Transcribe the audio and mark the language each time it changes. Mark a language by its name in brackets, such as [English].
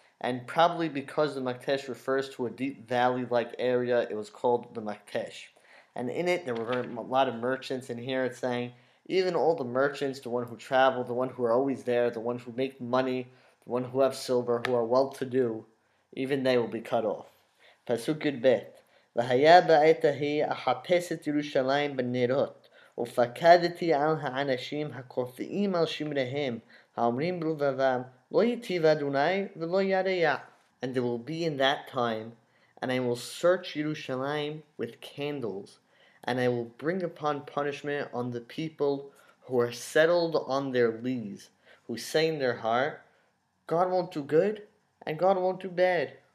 [English] And probably because the Machtesh refers to a deep valley-like area, it was called the Machtesh. And in it, there were a lot of merchants. And here it's saying, even all the merchants, the one who travel, the one who are always there, the ones who make money, the one who have silver, who are well-to-do, even they will be cut off. Pasuk Yud Bet. [Hebrew] והיה בעת ההיא אחפש את ירושלים בנרות, ופקדתי על האנשים הקופיים על שמריהם, האומרים בלבבם, לא יטיב אדוני ולא ירעיע. [English] And there will be in that time, and I will search Yerushalayim with candles, and I will bring upon punishment on the people who are settled on their lees, who say in their heart, God won't do good, and God won't do bad.